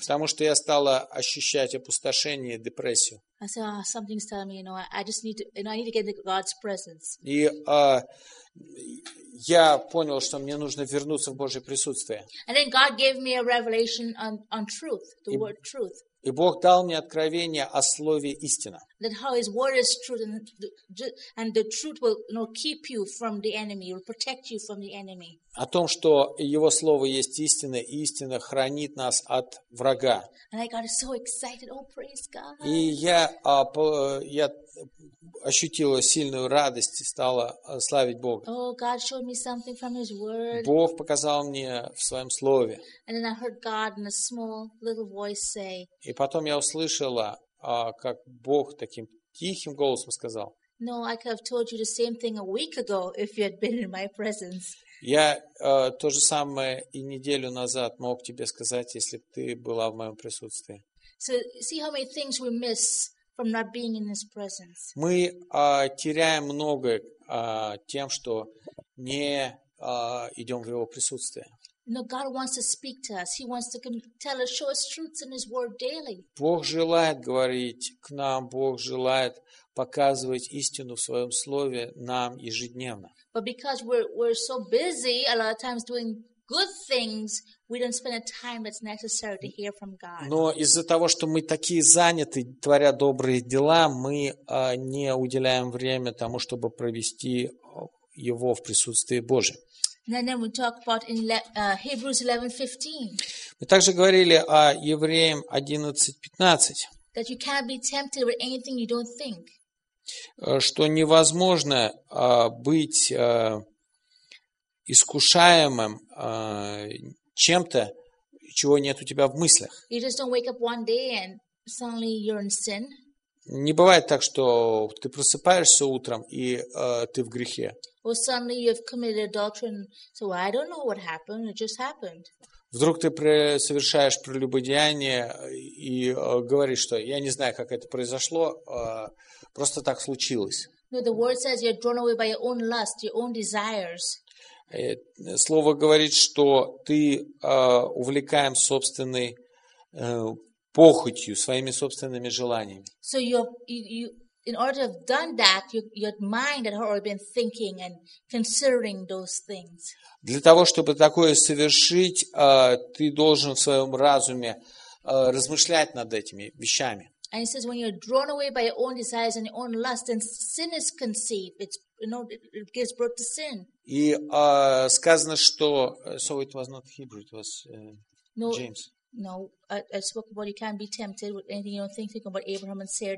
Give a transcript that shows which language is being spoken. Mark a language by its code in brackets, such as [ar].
[ru] Потому что я стала ощущать опустошение, депрессию. [en] I said, oh, something's telling me, you know, I just need to, you know, I need to get into God's presence. [ru] И я понял, что мне нужно вернуться в Божье присутствие. [en] And then God gave me a revelation on truth, the word truth. [ru] И Бог дал мне откровение о слове истина. [en] That how His word is truth, and the truth will, you know, keep you from the enemy, will protect you from the enemy. [ru] О том, что Его слово есть истина, и истина хранит нас от врага. [en] And I got so excited, oh praise God! [ru] И я ощутила сильную радость и стала славить Бога. [en] Oh, God showed me something from His word. [ru] Бог показал мне в своем слове. [en] And then I heard God in a small little voice say. [ru] И потом я услышала, как Бог таким тихим голосом сказал. [en] No, I could have told you the same thing a week ago if you had been in my presence. [ru] Я то же самое и неделю назад мог тебе сказать, если бы ты была в моем присутствии. [en] So, see how many things we miss from not being in His presence. [ru] Мы теряем многое тем, что не идем в Его присутствие. [en] No, God wants to speak to us. He wants to tell us, show us truths in His Word daily. [ru] Бог желает говорить к нам. Бог желает показывать истину в Своем Слове нам ежедневно. [en] But because we're so busy, a lot of times doing good things, we don't spend the time that's necessary to hear from God. [ru] Но из-за того, что мы такие заняты, творя добрые дела, мы не уделяем время тому, чтобы провести его в присутствии Божьем. [en] And then we talk about in Hebrews 11:15. [ru] Мы также говорили о Евреям 11:15. [en] That you can't be tempted with anything you don't think. [ru] Что невозможно быть искушаемым чем-то, чего нет у тебя в мыслях. [en] You just don't wake up one day and suddenly you're in sin. [ru] Не бывает так, что ты просыпаешься утром и ты в грехе. [en] Well, suddenly you've committed adultery, and so I don't know what happened. It just happened. [ru] Вдруг ты совершаешь прелюбодеяние и говоришь, что я не знаю, как это произошло, просто так случилось. [en] No, the word says you're drawn away by your own lust, your own desires. [ru] Слово говорит, что ты увлекаем собственной похотью, своими собственными желаниями. [en] So you in order to have done that, your mind had already been thinking and considering those things. [ru] Для того, чтобы такое совершить, ты должен в своем разуме размышлять над этими вещами. [en] And it says, when you're drawn away by your own desires and your own lust, then sin is conceived. It's, you know, it gives birth to sin. [ru] И сказано, что... [en] So it was not Hebrew, it was James. No, I spoke about you can't be tempted with anything. You don't think about Abraham and Sarah.